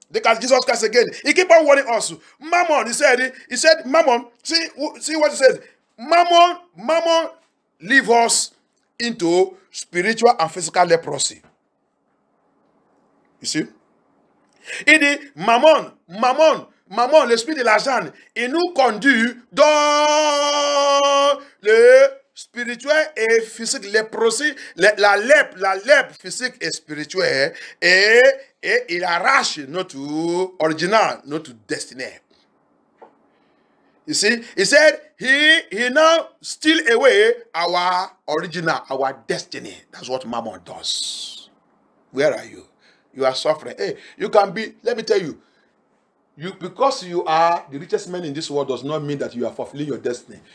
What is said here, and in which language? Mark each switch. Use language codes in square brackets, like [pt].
[en] Because Jesus Christ again, he keep on warning us. Mammon, he said, Mammon, see what he says. Mammon, leave us into spiritual and physical leprosy. You see? He did, [fr] Mammon, l'esprit de l'argent, il nous conduit dans le spirituel et physique, les procès, la lèpre physique et spirituelle, et il arrache notre original, notre destinée. [en] You see, he said, he now steal away our original, our destiny. That's what Mammon does. Where are you? You are suffering. Hey, you can be, let me tell you, you, because you are the richest man in this world, does not mean that you are fulfilling your destiny.